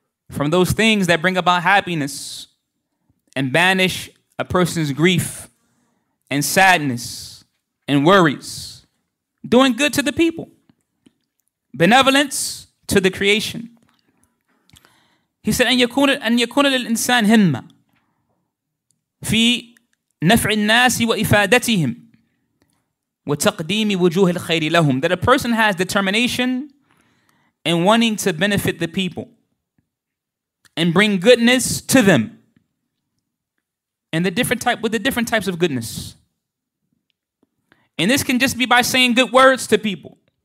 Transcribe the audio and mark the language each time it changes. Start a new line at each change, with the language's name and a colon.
English: From those things that bring about happiness and banish a person's grief and sadness and worries. Doing good to the people. Benevolence to the creation. He said,
Arabic: أَنْ يَكُونَ لِلْإِنسَانِ هِمَّةٌ فِي نَفْعِ النَّاسِ وَإِفَادَتِهِمْ وَتَقْدِيمِ وُجُوهِ الْخَيْرِ لَهُمْ.
English: That a person has determination in wanting to benefit the people and bring goodness to them. And the different type, with the different types of goodness. And this can just be by saying good words to people.